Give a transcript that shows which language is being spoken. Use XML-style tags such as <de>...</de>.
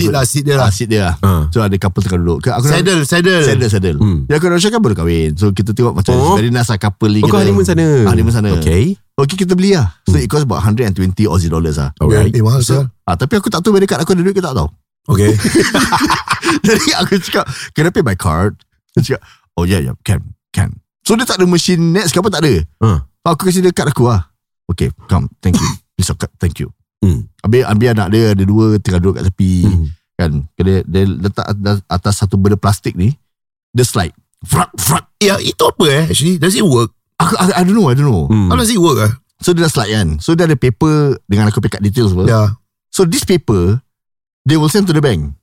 <ms>seat dia lah. So ada couple tengah duduk.</ms> <en>Saddle.</en> <ms>Dia aku rasa kan baru kahwin. So kita tengok macam</ms> <en>very nice couple</en> <ms>ni. Oh, kau honeymoon sana.</ms> <en>Okay. Okay,</en> <ms>kita beli lah.</ms> <en>So it cost about $120 lah. Alright.</en> <ms>Eh, mahal sah. Tapi aku tak tahu berdekat aku ada duit ke tak tahu.</ms> <en>Okay.</en> <ms>Jadi aku cakap,</ms> <en>can I pay by card?</en> <ms>Dia cakap,</ms> <en>oh yeah, can.</en> <ms>So dia tak ada machine next ke apa, tak ada. Aku kasi dia card aku lah.</ms> <en>Okay, come, thank you. Please, thank you.</en> <ms>Habis anak dia ada dua tengah duduk kat tepi. Kan dia letak atas satu benda plastik ni. Dia slide</ms> <en>frak.</en> <ms>Ya, itu apa eh?</ms> <en>Actually, does it work? I don't know. How does it work eh?</en> <ms>So dia dah slide kan. So dia ada paper dengan aku pick up details apa.</ms> <en>Yeah. So this paper they will send to the bank.</en>